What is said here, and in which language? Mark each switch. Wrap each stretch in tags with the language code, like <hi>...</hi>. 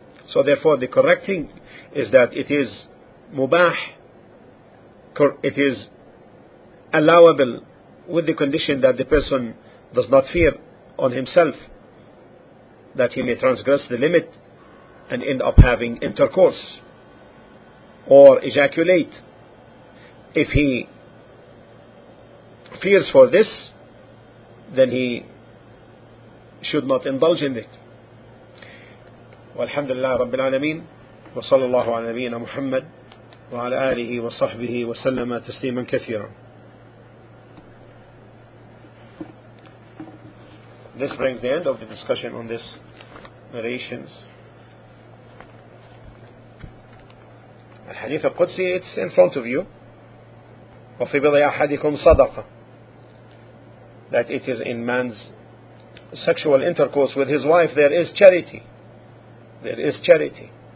<en>So therefore the correct thing is that it is mubah, it is allowable, with the condition that the person does not fear on himself that he may transgress the limit and end up having intercourse or ejaculate. If he fears for this, then he should not indulge in it.</en> <ar>والحمد لله رب العالمين وصلى الله على نبينا محمد وعلى آله وصحبه وسلم تسليما كثيرا.</ar> <en>This brings the end of the discussion on this narrations.</en> <ar>الحديث القدسي,</ar> <en>it's in front of you.</en> <ar>وفي بضع أحدكم صدقة,</ar> <en>that it is in man's sexual intercourse with his wife, there is charity. There is charity.</en>